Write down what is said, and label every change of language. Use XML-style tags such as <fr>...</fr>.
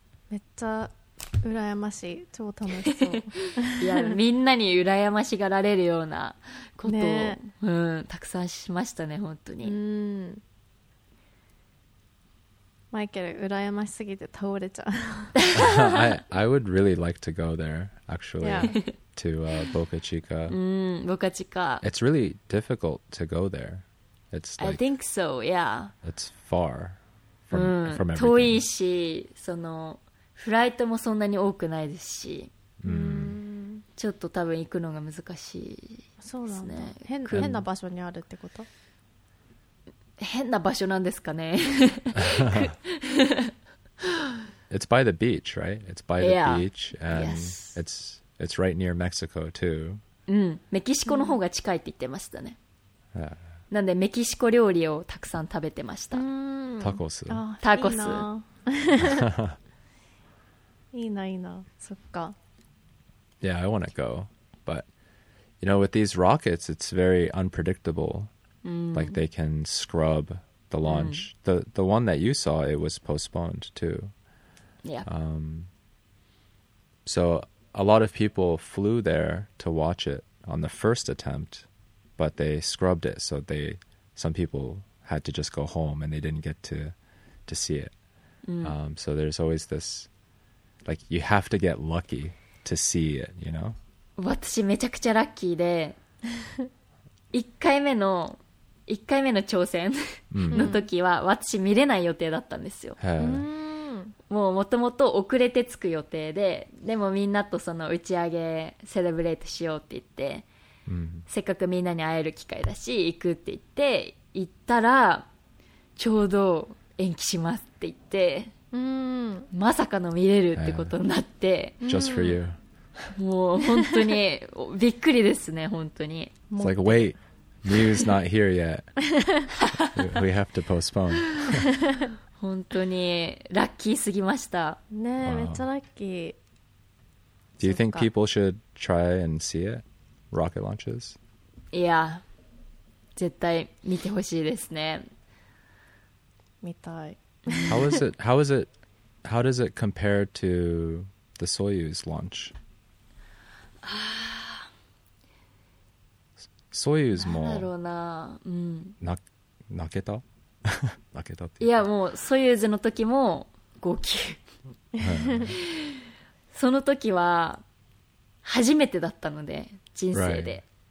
<ja>めっちゃ羨ましい、超楽しそういや、みんなに羨ましがられるようなことを、ね、うん、たくさんしましたね、本当に。うん、マイケル羨ましすぎて倒れちゃう。</ja> <en>I would really like to go there actually、yeah. to Boca Chica. Boca Chica. It's really difficult to go thereIt's like, I think so, yeah. It's far from everything.</en> <ja>遠いし、その、フライトもそんなに多くないですし、ちょっと多分行くのが難しいですね。そうなんだ。変な場所にあるってこと？変な場所なんですかね。</ja> <en>It's by the beach, right? It's by the beach, and it's right near Mexico, too.</en> <ja>うん、メキシコの方が近いって言ってましたね。</ja> <en>Yeah.</en> <ja>なんでメキシコ料理をたくさん食べてました。タコス、タコス、いいな、いいな、そっか。</ja> <en>Yeah, I want to go. But, you know, with these rockets, it's very unpredictable. Like, they can scrub the launch. Mm. The one that you saw, it was postponed too. Yeah. So a lot of people flew there to watch it on the first attempt, but they scrubbed it. So they some people had to just go home and they didn't get to see it. Mm. So there's always this, like, you have to get lucky to see it, you know?</en> <ja>私めちゃくちゃラッキーで1回目の挑戦の時は私見れない予定だったんですよ、もうもともと遅れて着く予定で、でもみんなとその打ち上げセレブレートしようって言って、せっかくみんなに会える機会だし行くって言って行ったら、ちょうど延期しますって言って、まさかの見れるってことになって、</ja> <en>Just for you。</en> <ja>もう本当にびっくりですね、本当に。</ja> <en>It's like, wait, news not here yet. We have to postpone.</en> <ja>本当にラッキーすぎました。ねえ、めっちゃラッキー。</ja> <en>Do you think people should try and see it? Rocket launches?</en> <ja>いや、絶対見てほしいですね。見たい。</ja> <en>How does it compare to the Soyuz launch?</en> <ja>ソユーズも泣けた泣けたっていや、もうソユーズの時も号泣その時は初めてだったので、人生で、</ja>